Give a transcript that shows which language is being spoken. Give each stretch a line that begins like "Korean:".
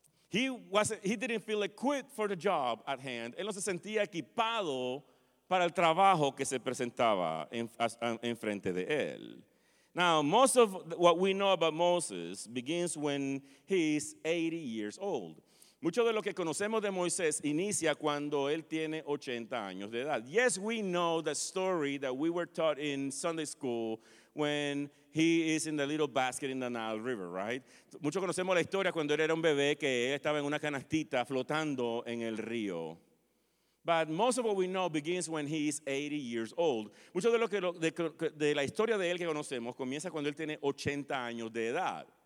English: He didn't feel equipped for the job at hand.
Spanish: Él no se sentía equipado para el trabajo que se presentaba en frente de él.
English: Now, most of what we know about Moses begins when he is 80 years old.
Spanish: Mucho de lo que conocemos de Moisés inicia cuando él tiene 80 años de edad.
English: Yes, we know the story that we were taught in Sunday school when he is in the little basket in the Nile River, right?
Spanish: Mucho conocemos la historia cuando él era un bebé que él estaba en una canastita flotando en el río.
English: But most of what we know begins when he is 80 years old.
Spanish: Mucho de la historia de él que conocemos comienza cuando él tiene 80 años de edad.